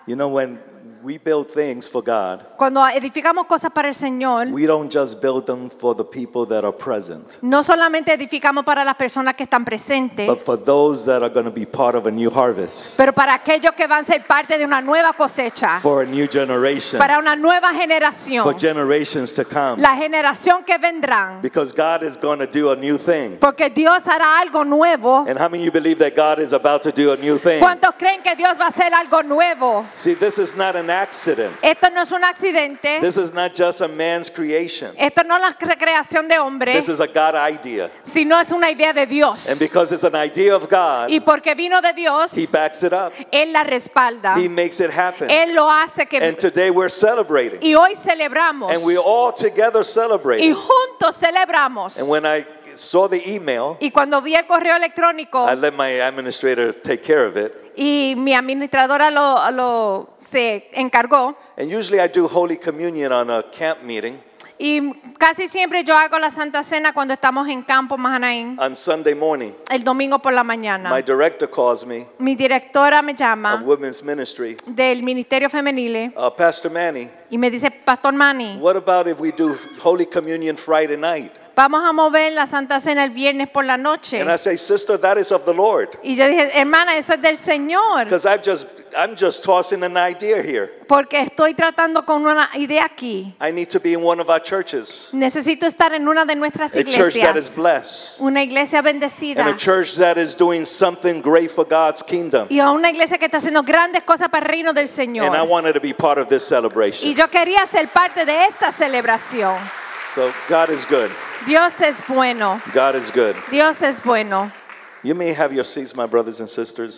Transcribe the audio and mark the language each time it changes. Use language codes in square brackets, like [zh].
[en] You know, when we build things for God, [es] cuando edificamos cosas para el Señor, [en] we don't just build them for the people that are present. [es] No solamente edificamos para las personas que están presentes, [en] but for those that are going to be part of a new harvest. [es] Pero para aquellos que van a ser parte de una nueva cosecha. [en] For a new generation. [es] Para una nueva generación. [en] For generations to come. [es] La generación que vendrán. [en] Because God is going to do a new thing. [es] Porque Dios hará algo nuevo. [en] And how many of you believe that God is about to do a new thing? [es] ¿Cuántos creen que Dios va a hacer algo nuevo? [en] See, this is not an accident. [es] Esto no es un accidente. [en] This is not just a man's creation. [es] Esto no es la creación de hombre. [en] This is a God idea. [es] Sino es una idea de Dios. [en] And because it's an idea of God, [es] y porque vino de Dios, [en] he backs it up. [es] Él la respalda. [en] He makes it happen. [es] Él lo hace que... [en] And today we're celebrating. [es] Y hoy celebramos. [en] And we all together celebrate. [es] Y juntos celebramos. [en] And when I saw the email, [es] y cuando vi el correo electrónico, [en] I let my administrator take care of it. [es] Y mi administradora lo se encargó. [en] And usually I do Holy Communion on a camp meeting. [es] Y casi siempre yo hago la Santa Cena cuando estamos en campo Mahanaim. [en] On Sunday morning. [es] El domingo por la mañana. [en] My director calls me. [es] Mi directora me llama. [en] Of Women's Ministry. [es] Del Ministerio Femenile. [en] Pastor Manny. [es] Y me dice, Pastor Manny. [en] What about if we do Holy Communion Friday night? [es] Vamos a mover la Santa Cena el viernes por la noche. [en] And I say, sister, that is of the Lord. [es] Y yo dije, hermana, eso es del Señor. [en] Because I'm just tossing an idea here. [es] Porque estoy tratando con una idea aquí. [en] I need to be in one of our churches. [es] Necesito estar en una de nuestras iglesias. [en] A church that is blessed. [es] Una iglesia bendecida. [en] And a church that is doing something great for God's kingdom. [es] Y a una iglesia que está haciendo grandes cosas para el reino del Señor. [en] And I wanted to be part of this celebration. [es] Y yo quería ser parte de esta celebración. [en] So God is good. [es] Dios es bueno. [en] God is good. [es] Dios es bueno. [en] You may have your seats, my brothers and sisters.